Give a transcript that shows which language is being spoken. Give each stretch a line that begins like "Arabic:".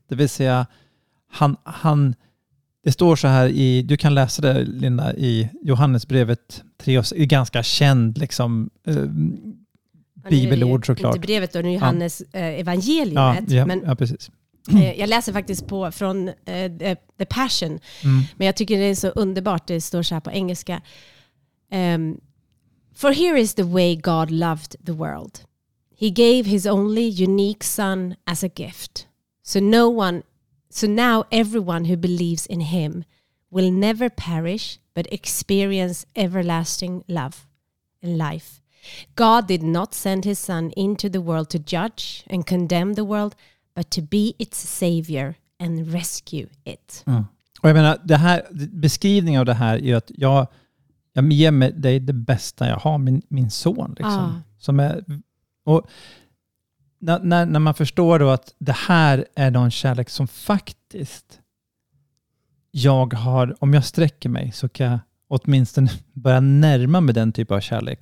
Swedish: Det vill säga han det står så här i, du kan läsa det Linda, i Johannesbrevet 3, ganska känd liksom bibelord såklart. Inte brevet då, Johannes evangeliet. Precis. Jag läser faktiskt på från The Passion. Mm. Men jag tycker det är så underbart, det står så här på engelska.
English: For here is the way God loved the world. He gave his only unique son as a gift. So now everyone who believes in him will never perish but experience everlasting love and life. God did not send his son into the world to judge and condemn the world but to be its savior and rescue it. Mm.
Swedish: Och jag menar, det här, beskrivningen av det här är att jag ger mig dig det bästa jag har, min son liksom, som är, och när man förstår då att det här är någon kärlek som faktiskt jag har, om jag sträcker mig så kan jag åtminstone börja närma mig den typen av kärlek.